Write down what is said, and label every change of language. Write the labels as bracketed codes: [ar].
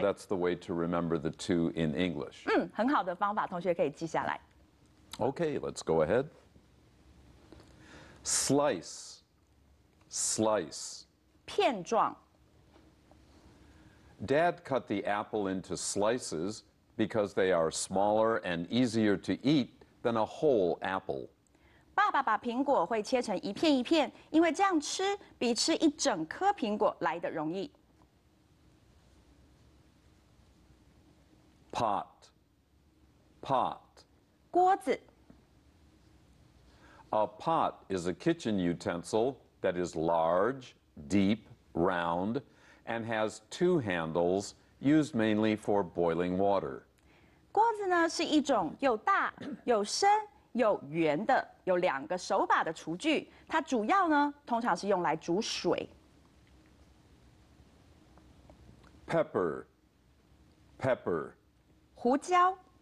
[en] So that's the way to remember the two in English. [zh] 嗯，很好的方法，同学可以记下来。 [en] Okay, let's go ahead. Slice. Slice. [zh] 片状。 [en] Dad cut the apple into slices because they are smaller and easier to eat than a whole apple. [zh] 爸爸把苹果会切成一片一片，因为这样吃比吃一整颗苹果来得容易。 [en] Pot. Pot. [zh] 锅子。 [en] A pot is a kitchen utensil. That is large, deep, round, and has two handles used mainly for boiling water. [zh] 锅子呢是一种又大又深又圆的有两个手把的厨具，它主要呢通常是用来煮水。 [en] Pepper, pepper. [zh] 胡椒。